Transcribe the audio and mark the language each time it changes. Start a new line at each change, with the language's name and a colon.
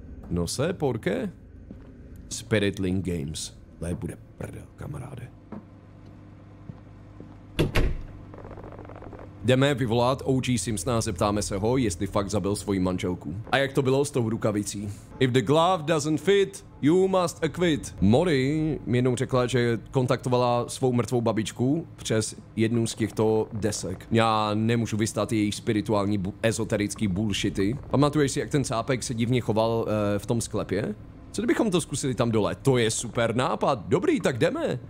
Czech: Nose, porke? Spirit Link Games. Tohle bude prdel, kamaráde. Jdeme vyvolat OG Simpsona a zeptáme se ho, jestli fakt zabil svoji manželku. A jak to bylo s tou rukavicí?
English: If the glove doesn't fit, you must acquit.
Czech: Mori mi jednou řekla, že kontaktovala svou mrtvou babičku přes jednu z těchto desek. Já nemůžu vystát její spirituální ezoterický bullshity. Pamatuješ si, jak ten cápek se divně choval v tom sklepě? Co kdybychom to zkusili tam dole? To je super nápad. Dobrý, tak jdeme.